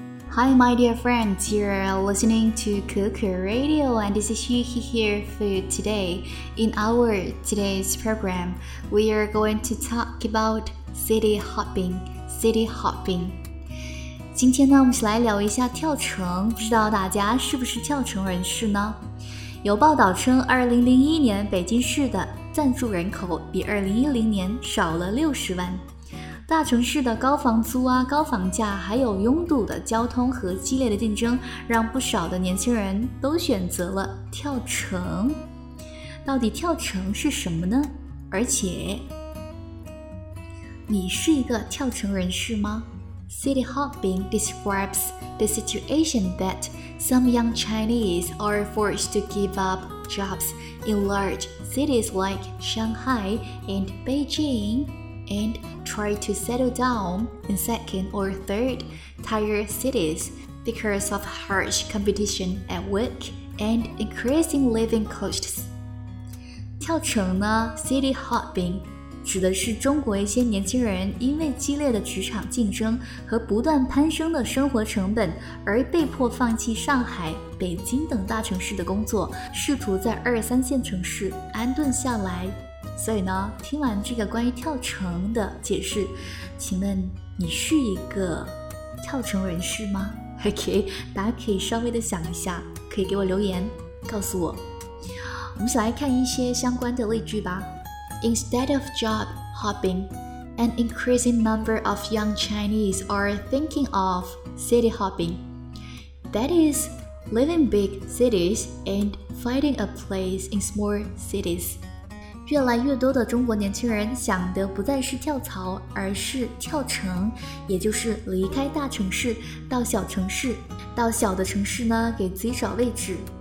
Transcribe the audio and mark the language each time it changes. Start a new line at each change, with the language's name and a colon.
English: Hi, my dear friends, you're listening to Kuku Radio, and this is Yuki here for today. In our today's program, we are going to talk about city hopping. City hopping.
Chinese: 今天呢，我们先来聊一下跳城，不知道大家是不是跳城人士呢？有报道称，2001年北京市的暂住人口比2010年少了60万。大城市的高房租啊、高房价，还有拥堵的交通和激烈的竞争，让不少的年轻人都选择了跳城。到底跳城是什么呢？而且，你是一个跳城人士吗？
English: City hopping describes the situation that some young Chinese are forced to give up jobs in large cities like Shanghai and Beijing and try to settle down in second or third tier cities because of harsh competition at work and increasing living costs.
Chinese: 跳城呢，
English: City hopping.
Chinese: 指的是中国一些年轻人因为激烈的职场竞争和不断攀升的生活成本而被迫放弃上海、北京等大城市的工作，试图在二三线城市安顿下来。所以呢，听完这个关于跳城的解释，请问你是一个跳城人士吗？ OK， 大家可以稍微的想一下，可以给我留言告诉我。我们先来看一些相关的例句吧。
English: Instead of job hopping, an increasing number of young Chinese are thinking of city hopping. That is, living big cities and finding a place in small cities.
Chinese: 越来越多的中国年轻人想的不再是跳槽，而是跳城，也就是离开大城市，到小城市，到小的城市呢，给自己找位置。